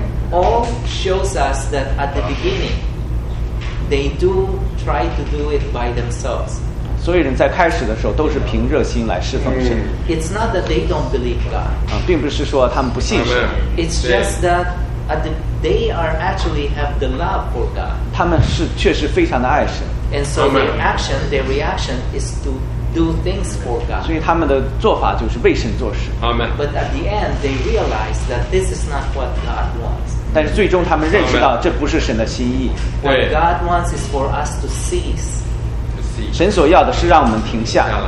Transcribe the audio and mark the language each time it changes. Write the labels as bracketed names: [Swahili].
[English] All shows us that at the beginning, they do try to do it by themselves. [Chinese] 所有人在开始的时候都是凭热心来侍奉神。 [English] It's not that they don't believe God. [Chinese] 并不是说他们不信神。 [English] It's just that. They are actually have the love for God. [Chinese] 他们是确实非常的爱神。 [English] And so their reaction is to do things for God. [Chinese] 所以他们的做法就是为神做事。 [English] Amen. But at the end, they realize that this is not what God wants. [Chinese] 但是最终他们认识到这不是神的心意。 [English] What God wants is for us to cease. [Chinese] 神所要的是让我们停下。